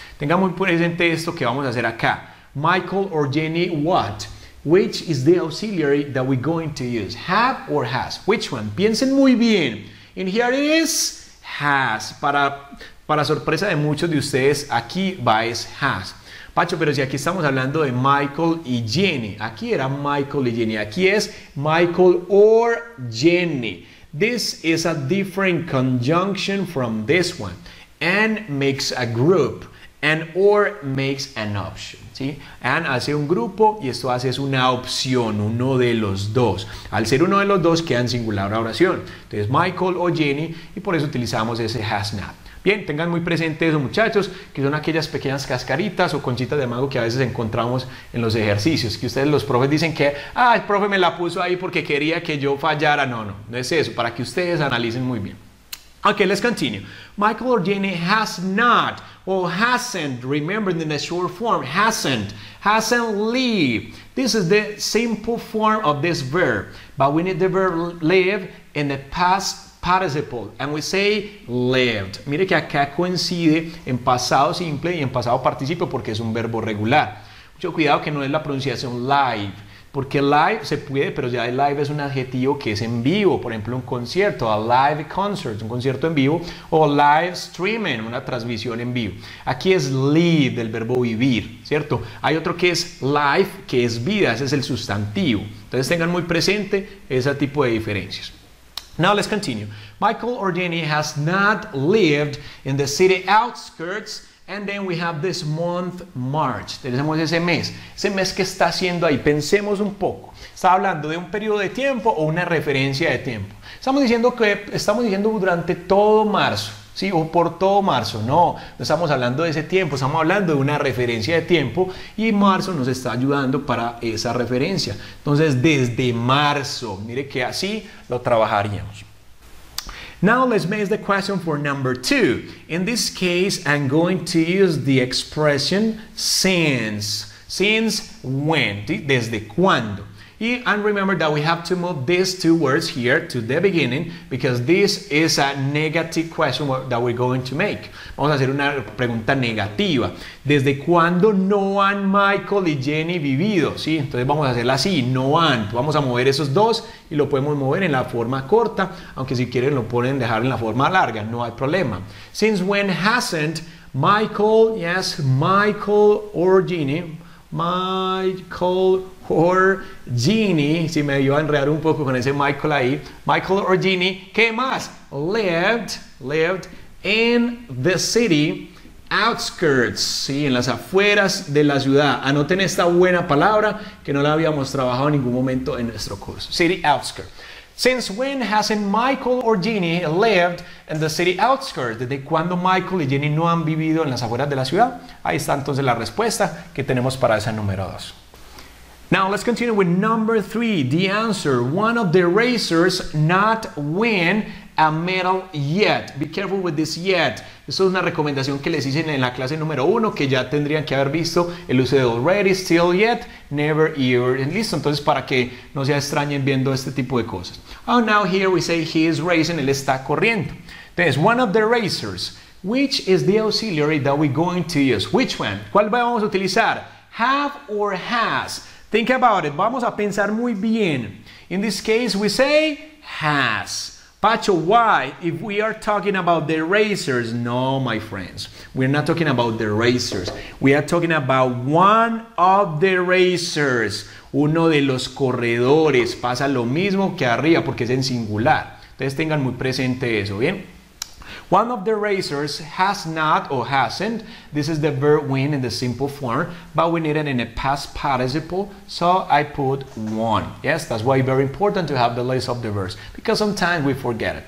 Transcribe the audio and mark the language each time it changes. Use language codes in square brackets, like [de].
[es] Tengamos muy presente esto que vamos a hacer acá. [en] Michael or Jenny, what? Which is the auxiliary that we're going to use? Have or has? Which one? Piensen muy bien. And here it is. Has. [es] Para sorpresa de muchos de ustedes, aquí va es has. Pacho, pero si aquí estamos hablando de Michael y Jenny. Aquí era Michael y Jenny. Aquí es Michael or Jenny. [en] This is a different conjunction from this one. And makes a group. And or makes an option. ¿Sí? [es] And hace un grupo y esto hace es una opción, uno de los dos. Al ser uno de los dos queda en singular la oración. Entonces Michael o Jenny y por eso utilizamos ese has not. Bien, tengan muy presente eso, muchachos, que son aquellas pequeñas cascaritas o conchitas de mango que a veces encontramos en los ejercicios, que ustedes los profes dicen que, ah, el profe me la puso ahí porque quería que yo fallara. No, no, no es eso, para que ustedes analicen muy bien. [en] Ok, let's continue. Michael or Jenny has not, or hasn't, remember in the short form, hasn't lived. This is the simple form of this verb, but we need the verb live in the past participle, and we say lived. [es] Mire que acá coincide en pasado simple y en pasado participio porque es un verbo regular. Mucho cuidado que no es la pronunciación live, porque live se puede, pero ya live es un adjetivo que es en vivo. Por ejemplo, un concierto, a live concert, un concierto en vivo, o live streaming, una transmisión en vivo. Aquí es live, del verbo vivir, ¿cierto? Hay otro que es live, que es vida, ese es el sustantivo. Entonces tengan muy presente ese tipo de diferencias. [en] Now let's continue. Michael or Jenny has not lived in the city outskirts, and then we have this month, March. [es] Tenemos ese mes que está haciendo ahí. Pensemos un poco. Está hablando de un periodo de tiempo o una referencia de tiempo. Estamos diciendo que estamos diciendo durante todo marzo. Sí, o por todo marzo, no estamos hablando de ese tiempo, estamos hablando de una referencia de tiempo y marzo nos está ayudando para esa referencia. Entonces, desde marzo, mire que así lo trabajaríamos. [en] Now, let's make the question for number two. In this case, I'm going to use the expression since. Since when, ¿sí? Desde cuándo. And remember that we have to move these two words here to the beginning because this is a negative question that we're going to make. [es] Vamos a hacer una pregunta negativa. ¿Desde cuándo no han Michael y Jenny vivido? ¿Sí? Entonces vamos a hacerla así, no han. Vamos a mover esos dos y lo podemos mover en la forma corta, aunque si quieren lo pueden dejar en la forma larga, no hay problema. [en] Since when hasn't Michael, yes, Michael or Jenny, Michael or Jenny, si me iba a enredar un poco con ese Michael ahí, Michael or Jenny, ¿qué más? [es] Lived in the city outskirts, sí, en las afueras de la ciudad. Anoten esta buena palabra que no la habíamos trabajado en ningún momento en nuestro curso. [en] City outskirts. Since when hasn't Michael or Jenny lived in the city outskirts? [es] ¿Desde cuándo Michael y Jenny no han vivido en las afueras de la ciudad? Ahí está entonces la respuesta que tenemos para esa número 2. [en] Now let's continue with number 3. The answer. One of the racers not win a medal yet. [es] Be careful with this yet. Eso es una recomendación que les hice en la clase número 1 que ya tendrían que haber visto el uso de already, still, yet, never, ever, and listo. Entonces, para que no se extrañen viendo este tipo de cosas. [en] Oh, now here we say he is racing. Él está corriendo. Entonces, one of the racers. Which is the auxiliary that we're going to use? Which one? ¿Cuál vamos a utilizar? Have or has? Think about it. Vamos a pensar muy bien. In this case, we say has. Pacho, why? If we are talking about the racers, no, my friends. We're not talking about the racers. We are talking about one of the racers. [es] Uno de los corredores. Pasa lo mismo que arriba porque es en singular. Entonces tengan muy presente eso, ¿bien? [en] One of the racers has not or hasn't. This is the verb win in the simple form, but we need it in a past participle, so I put one. Yes, that's why it's very important to have the list of the verbs, because sometimes we forget it.